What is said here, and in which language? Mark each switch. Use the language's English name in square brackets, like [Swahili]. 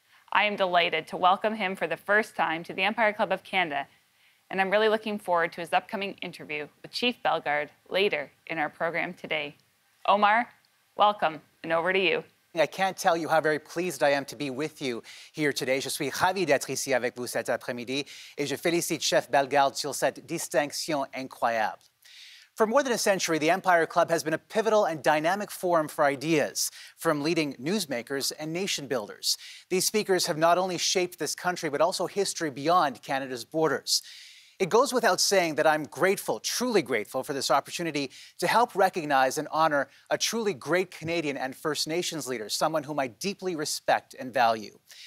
[English] I am delighted to welcome him for the first time to the Empire Club of Canada, and I'm really looking forward to his upcoming interview with Chief Bellegarde later in our program today. Omar, welcome, and over to you. I can't tell you how very pleased I am to be with you here today. [French] Je suis ravi d'être ici avec vous cet après-midi et je félicite Chef Bellegarde sur cette distinction incroyable. [English] For more than a century, the Empire Club has been a pivotal and dynamic forum for ideas from leading newsmakers and nation builders. These speakers have not only shaped this country, but also history beyond Canada's borders. It goes without saying that I'm grateful, truly grateful, for this opportunity to help recognize and honor a truly great Canadian and First Nations leader, someone whom I deeply respect and value.